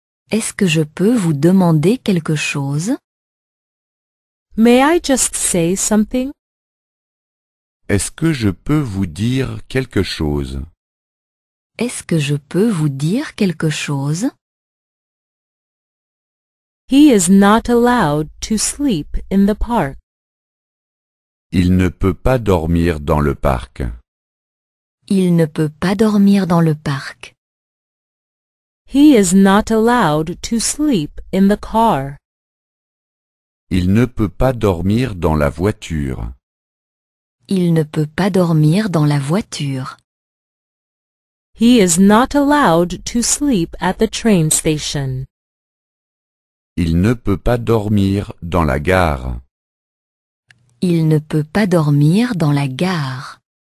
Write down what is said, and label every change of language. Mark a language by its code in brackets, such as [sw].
[fr] Est-ce que je peux vous demander quelque chose? [en] May I just say something? [fr] Est-ce que je peux vous dire quelque chose? Est-ce que je peux vous dire quelque chose? [en] He is not allowed to sleep in the park. [fr] Il ne peut pas dormir dans le parc. Il ne peut pas dormir dans le parc. [en] He is not allowed to sleep in the car. [fr] Il ne peut pas dormir dans la voiture. Il ne peut pas dormir dans la voiture. [en] He is not allowed to sleep at the train station. [fr] Il ne peut pas dormir dans la gare. Il ne peut pas dormir dans la gare.